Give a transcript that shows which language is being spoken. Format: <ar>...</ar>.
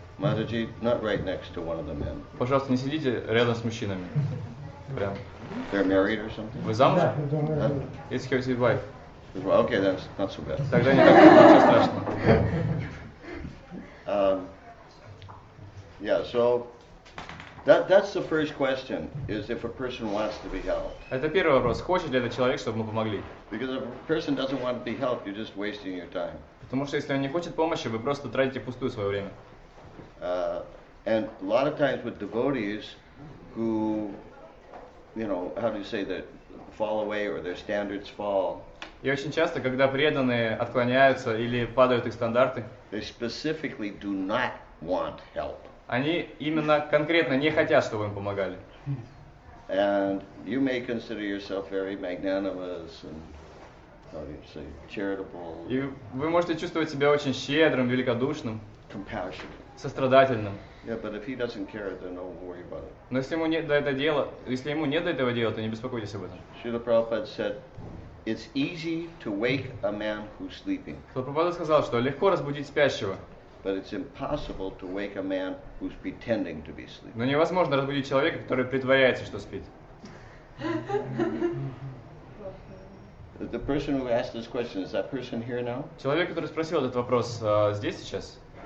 <en>Mataji, not right next to one of the men.</en> <ru>Пожалуйста, не сидите рядом с мужчинами. Прям.</ru> <en>They're married or something?</en> <ru>Вы замужем?</ru> <en>Yeah. It's his wife. Okay, that's not so bad.</en> <ru>Тогда не так уж страшно.</ru> <en>Yeah, so that's the first question, is if a person wants to be helped.</en> <ru>Это первый вопрос. Хочет ли этот человек, чтобы мы помогли?</ru> <en>Because if a person doesn't want to be helped, you're just wasting your time.</en> <ru>Потому что если он не хочет помощи, вы просто тратите пустую свое время.</ru> <en>And a lot of times with devotees who, you know, how do you say that, fall away or their standards fall.</en> <ru>И очень часто, когда преданные отклоняются или падают их стандарты,</ru> <en>they specifically do not want help.</en> <ru>Они именно конкретно не хотят, чтобы им помогали.</ru> <en>And you may consider yourself very magnanimous and, how do you say, charitable.</en> <ru>И вы можете чувствовать себя очень щедрым, великодушным,</ru> <en>compassionate,</en> <ru>сострадательным.</ru> <en>Yeah, but if he doesn't care, then don't worry about it.</en> <ru>Но если ему нет до этого дела, то не беспокойтесь об этом.</ru> <en>Шрила Прабхупада said, it's easy to wake a man who's sleeping.</en> <ru>Прабхупада сказал, что легко разбудить спящего.</ru> <en>But it's impossible to wake a man who's pretending to be sleeping.</en> <ru>Но невозможно разбудить человека, который притворяется, что спит.</ru> <en>The person who asked this question, is that person here now?</en> <ru>Человек, который спросил этот вопрос, здесь сейчас?</ru>